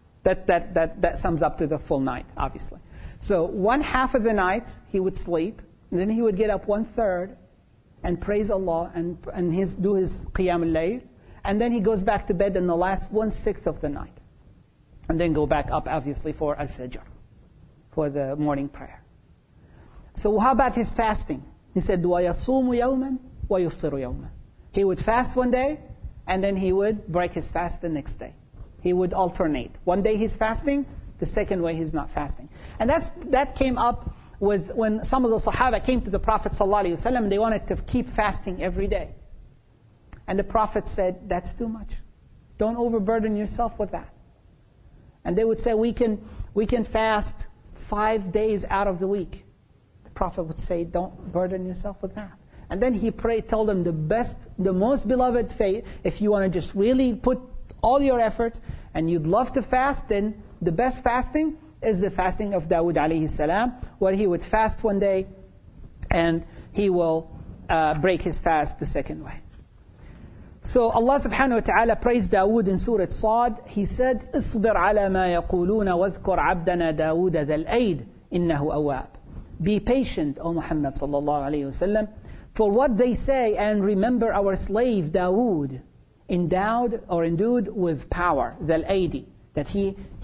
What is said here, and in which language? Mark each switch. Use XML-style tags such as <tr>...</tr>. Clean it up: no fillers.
<en>That sums up to the full night, obviously. So one half of the night he would sleep, and then he would get up one third and praise Allah and do his Qiyam al-Layl, and then he goes back to bed in the last one-sixth of the night. And then go back up, obviously, for al-Fajr, for the morning prayer. So how about his fasting? He said,</en> <ar>وَيَصُومُ يَوْمًا وَيُفْطِرُ يَوْمًا.</ar> <en>He would fast one day, and then he would break his fast the next day. He would alternate. One day he's fasting, the second way he's not fasting. And that came up with when some of the Sahaba came to the Prophet sallallahu alaihi wasallam, they wanted to keep fasting every day. And the Prophet said, that's too much. Don't overburden yourself with that. And they would say, we can fast 5 days out of the week. The Prophet would say, don't burden yourself with that. And then he prayed, told them the best, the most beloved faith, if you want to just really put all your effort and you'd love to fast, then the best fasting is the fasting of Dawood alayhi salam, where he would fast one day and he will break his fast the second way. So Allah subhanahu wa ta'ala praised Dawood in Surah Sa'd. He said,</en> <ar>اصبر على ما يقولون واذكر عبدنا داود ذا الأيد إنه أواب.</ar> <en>Be patient, O Muhammad sallallahu alayhi wa sallam, for what they say, and remember our slave Dawood, endued with power,</en> <ar>ذا الأيد,</ar> <en>that he</en>